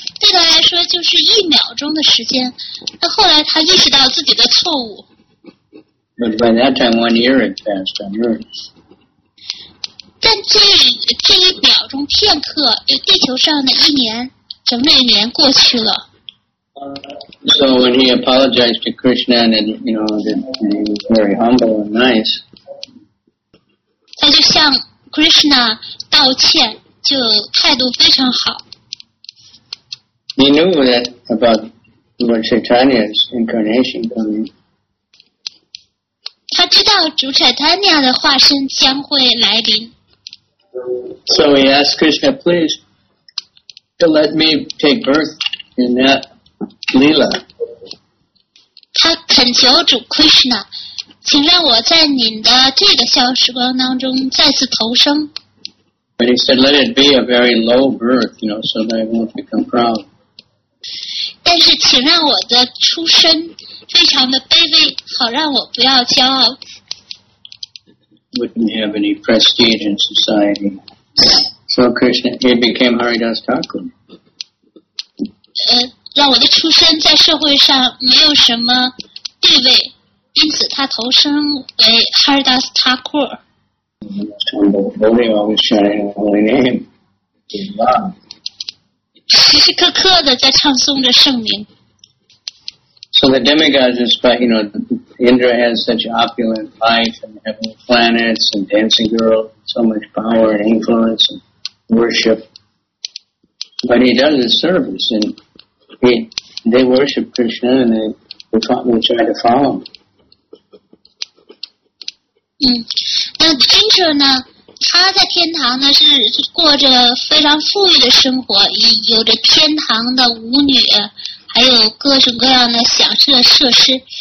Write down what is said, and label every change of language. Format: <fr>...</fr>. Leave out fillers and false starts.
<zh>对他来说就是一秒钟的时间，那后来他意识到自己的错误。</zh> <en>But by that time, one year had passed on Earth.</en> <zh>但这一秒钟片刻，地球上的一年，整整一年过去了。</zh> <en>So when he apologized to Krishna and, you know, he was very humble and nice.</en> <zh>他就向 Krishna 道歉，就态度非常好。</zh> <en>He knew that about Lord Chaitanya's incarnation coming.</en> <zh>他知道主 Chaitanya 的化身将会来临。</zh> <en>So he asked Krishna, please, to let me take birth in that Leela.</en> <zh>他恳求主 Krishna, 请让我在您的这个小时光当中再次投生。</zh> <en>But he said, let it be a very low birth, you know, so that I won't become proud.</en> <zh>但是请让我的出身非常的卑微，好让我不要骄傲。</zh> <en>Wouldn't have any prestige in society. So Krishna, he became Haridas Thakur.</en> <zh>让我的出身在社会上没有什么地位，因此他投身为 Haridas Thakur.</zh> <en>The most humble devotee always chanting the holy name. Love.</en> <zh>时时刻刻的在唱诵着圣名。</zh> <en>So the demigods, despite, you know, Indra has such opulent life and heavenly planets and dancing girls, so much power and influence and worship. But he does his service and they worship Krishna and they try to follow him.</en> <zh>那 Indra 呢？他在天堂呢是过着非常富裕的生活，有着天堂的舞女，还有各种各样的享受的设施。</zh>